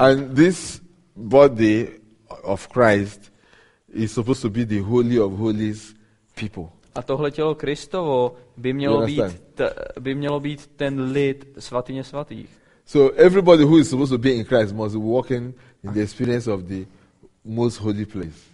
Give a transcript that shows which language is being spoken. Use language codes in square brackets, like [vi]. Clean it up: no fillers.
[en] And this body of Christ is supposed to be the holy of holies people. [cs] A tohle tělo Kristovo by mělo být ten lid svatyně svatých. [en] So everybody who is supposed to be in Christ must be walking in the experience of the most holy place.